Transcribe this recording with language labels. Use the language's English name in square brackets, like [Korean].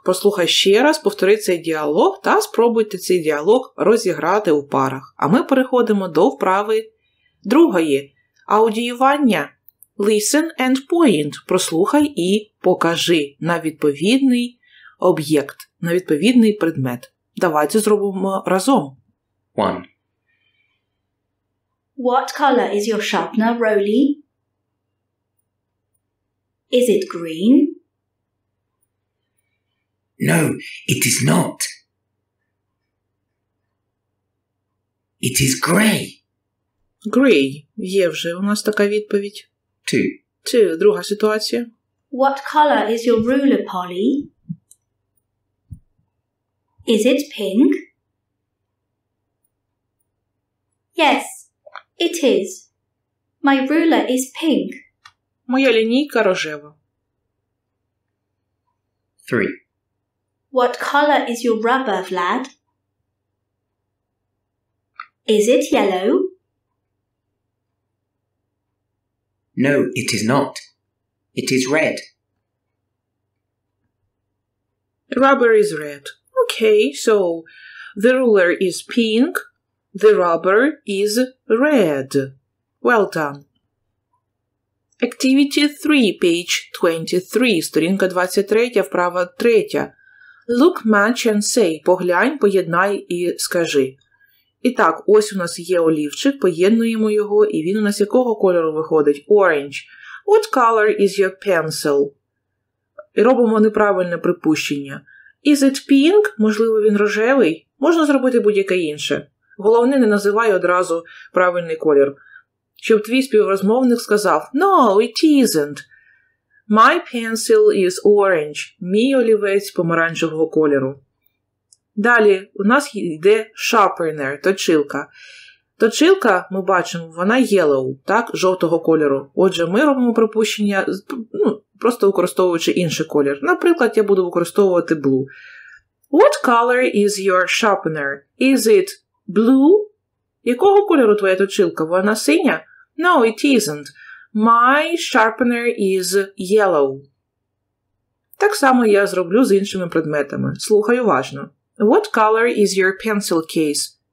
[Ukrainian] Послухай ще раз, повтори цей діалог та спробуйте цей діалог розіграти у парах. А ми переходимо до вправи другої – аудіювання. [English] Listen and point [Ukrainian] – прослухай і покажи на відповідний об'єкт, на відповідний предмет. Давайте зробимо разом. [English] One. What color is your sharpener, Rolly? Is it green? No, it is not. It is grey. Grey. [Ukrainian] Є вже у нас така відповідь. [English] Two. [Ukrainian] Two. Друга ситуація. [English] What color is your ruler, Polly? Is it pink? Yes, it is. My ruler is pink. [Ukrainian] Моя лінійка рожева. [English] 3. What color is your rubber, Vlad? Is it yellow? No, it is not. It is red. Rubber is red. Okay, so the ruler is pink, the rubber is red. Well done. Activity 3, page 23, [Ukrainian] сторінка 23, вправа 3. [English] Look, match and say. [Ukrainian] Поглянь, поєднай і скажи. І так, ось у нас є олівчик, поєднуємо його, і він у нас якого кольору виходить? [English] Orange. What color is your pencil? [Ukrainian] І робимо неправильне припущення. [English] Is it pink? [Ukrainian] Можливо, він рожевий? Можна зробити будь-яке інше. Головне, не називай одразу правильний колір. Щоб твій співрозмовник сказав, [English] no, it isn't. My pencil is orange. [Ukrainian] Мій олівець помаранчевого кольору. Далі у нас йде sharpener, точилка. Точилка, ми бачимо, вона yellow, так, жовтого кольору. Отже, ми робимо припущення, ну, просто використовуючи інший колір. Наприклад, я буду використовувати blue. [English] What color is your sharpener? Is it blue? [Ukrainian] Якого кольору твоя точилка? Вона синя? [English] No, it isn't. My sharpener is yellow. [Ukrainian] Так само я зроблю з іншими предметами. Слухай уважно. [English] What color is your pencil case?